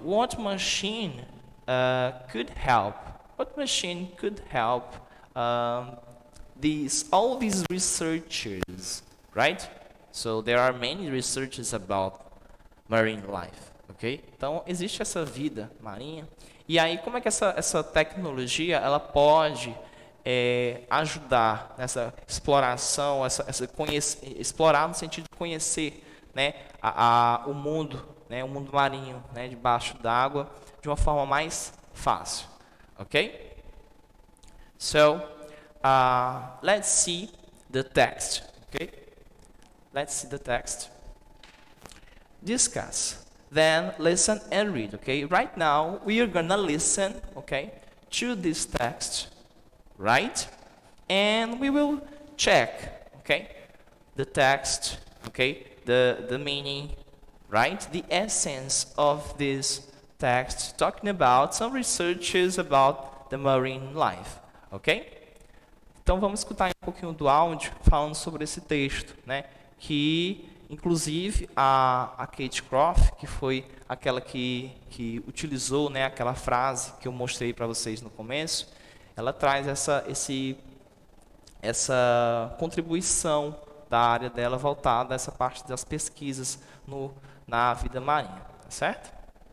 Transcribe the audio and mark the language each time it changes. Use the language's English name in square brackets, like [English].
[English] What machine could help? What machine could help all these researchers, right? So, there are many researches about marine life, okay? [Portuguese] Então, existe essa vida marinha. E aí, como é que essa tecnologia, ela pode ajudar nessa exploração, explorar no sentido de conhecer, né, o mundo, né, o mundo marinho, né, debaixo d'água, de uma forma mais fácil, ok? [English] So, let's see the text, ok? Let's see the text. Discuss, then listen and read, ok? Right now, we are gonna listen, ok, to this text, right? And we will check, okay, the text, okay, the meaning, right, the essence of this text, talking about some researches about the marine life, okay? [Portuguese] Então vamos escutar um pouquinho do áudio falando sobre esse texto, né, que inclusive a Kate Croft, que foi aquela que utilizou, né, aquela frase que eu mostrei para vocês no começo, ela traz essa contribuição da área dela voltada a essa parte das pesquisas na vida marinha, certo?